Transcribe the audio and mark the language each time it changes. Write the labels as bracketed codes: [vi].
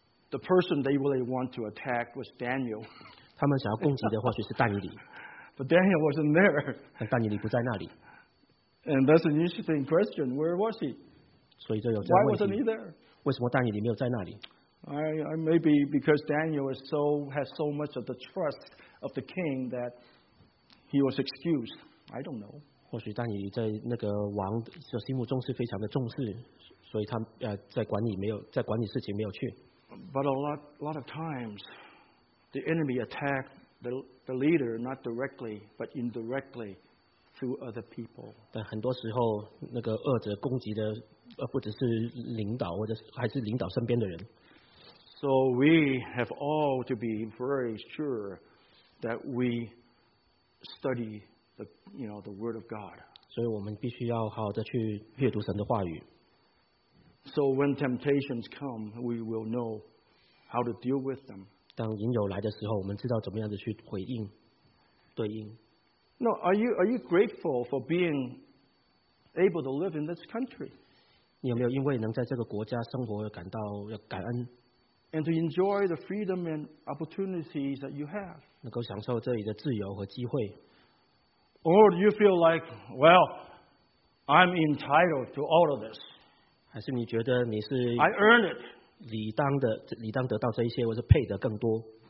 [en] The person they really want to attack was Daniel. [zh] 他们想要攻击的或许是但以理。 [en] But Daniel wasn't there. [zh] 但但以理不在那里。 [en] And that's an interesting question. Where was he? [zh] 所以就有这样问题。 [en] Why wasn't he there? [zh] 为什么但以理没有在那里？ [en] I maybe because Daniel is so, has so much of the trust of the king that he was excused. I don't know. [zh] 或许但以理在那个王的心目中是非常的重视，所以他在管理没有在管理事情没有去。 [en] But a lot of times, the enemy attacked the leader not directly but indirectly. Through other people. [zh] 但很多时候，那个恶者攻击的，不只是领导，或者还是领导身边的人。 [en] So we have all to be very sure that we study the, you know, the word of God. [zh] 所以我们必须要好好的去阅读神的话语。 [en] So when temptations come, we will know how to deal with them. [zh] 当引诱来的时候，我们知道怎么样的去回应，对应。 [en] No, are you grateful for being able to live in this country? [zh] 你有没有因为能在这个国家生活而感到感恩？ [en] And to enjoy the freedom and opportunities that you have. [zh] 能够享受这里的自由和机会。 [en] Or do you feel like, well, I'm entitled to all of this? [zh] 还是你觉得你是 [en] I earn it. [zh] 理当得到这一些，或是配得更多？